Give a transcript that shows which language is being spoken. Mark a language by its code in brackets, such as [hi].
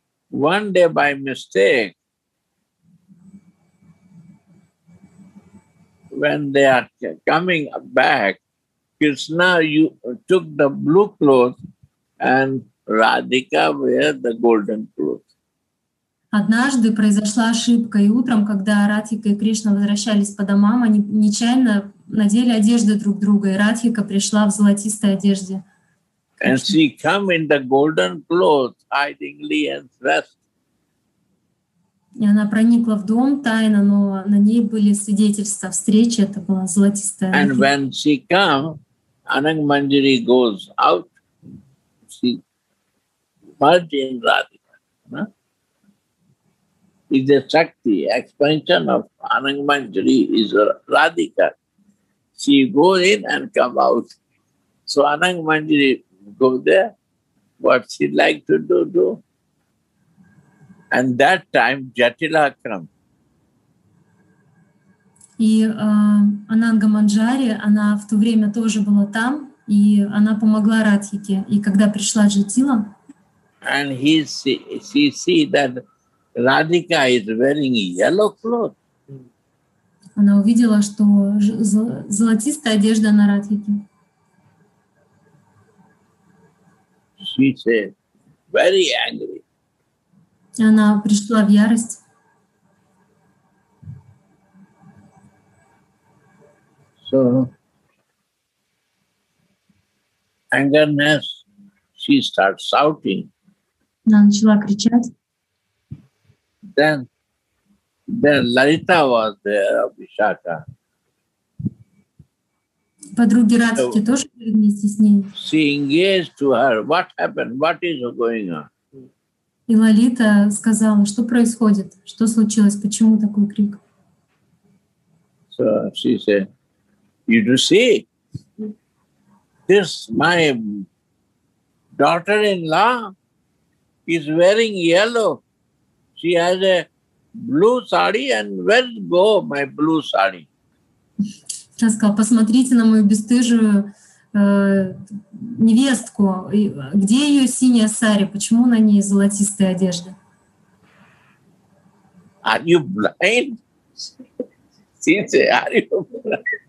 [en] One day by mistake, when they are coming back, Krishna took the blue clothes and Radhika wear the golden clothes. [ru] Однажды произошла ошибка, и утром, когда Радхика и Кришна возвращались по домам, они нечаянно надели одежды друг друга, и Радхика пришла в золотистой одежде. [en] And she come in the golden clothes, hidingly and dressed. [ru] И она проникла в дом тайно, но на ней были свидетельства встречи, это была золотистая одежда. [en] And when she come, Ananga Manjari goes out, she merge in Radhika. Is a Shakti, expansion of Ananga Manjari is Radhika. She goes in and come out. So Ananga Manjari go there, what she like to do. And that time Jatila come. [ru] И Ананга Манджари, она в то время тоже была там, и она помогла Радхике. И когда пришла Джатила, [en] and she see that Radhika is wearing yellow cloth. [ru] она увидела, что золотистая одежда на Радхике. [en] She said, very angry. [ru] Она пришла в ярость. [en] So, angerness, she starts shouting. [ru] Она начала кричать. [en] Then Lalita was there, Abhishaka. [ru] Подруги Радхики тоже были вместе с ней. [en] She engaged to her. What happened? What is going on? [ru] И Лалита сказала, что происходит? Что случилось? Почему такой крик? [en] So she said, you do see, this my daughter-in-law is wearing yellow. She has a blue sari and where go my blue sari? [ru] Она сказала, посмотрите на мою бесстыжую невестку. Где ее синяя сари? Почему на ней золотистая одежда? [en] Are you blind? Синце, are you blind?